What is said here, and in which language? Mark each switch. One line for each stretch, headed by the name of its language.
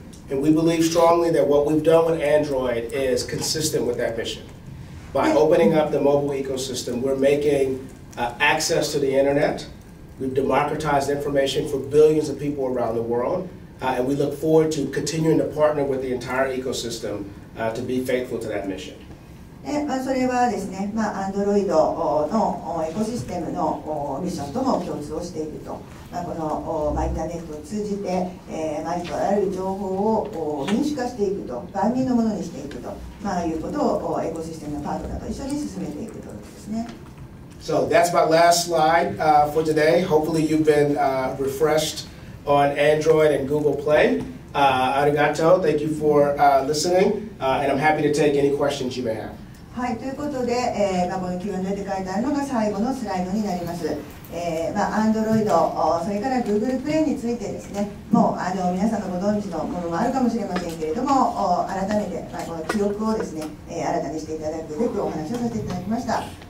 English: And we believe strongly that what we've done with Android is consistent with that mission. By opening up the mobile ecosystem, we're making access to the internet. We've democratized information for billions of people around the world. And we look forward to continuing to partner with the entire ecosystem to be faithful to that mission.
Japanese: それはですね、Android のエコシステムのミッションとも共通をしていると、このインターネットを通じて、ありとあらゆる情報を民主化していくと、万人のものにしていくと、いうことをエコシステムのパートナーと一緒に進めていくということですね。
English: So that's my last slide for today. Hopefully you've been refreshed on Android and Google Play. Arigato, thank you for listening, and I'm happy to take any questions you may have.
Japanese: はい、ということで、この Q&A で書いてあるのが最後のスライドになります。 Android、それから Google Play についてですね、もう皆さんのご存知のものもあるかもしれませんけれども、改めて、この記憶をですね、新たにしていただくべくお話をさせていただきました。